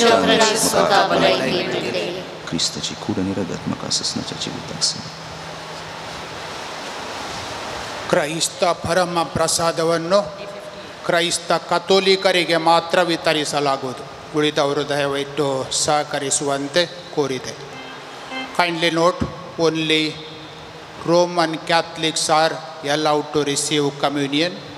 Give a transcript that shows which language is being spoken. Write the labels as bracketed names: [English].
[Goan Konkani] ख्रिस्ताची कूड निरगत म्हाका सस्नाच्या जिवीतांत आसा. [Kannada] क्रैस्त परम प्रसादवन्न क्रैस्त कथोलिकरिगे मात्र वितरिसलागुवुदु. ಉಳಿದವರು ದಯವಿಟ್ಟು ಸಹಕರಿಸುವಂತೆ ಕೋರಿದೆ. [English] Kindly note, only Roman Catholics are allowed to receive communion.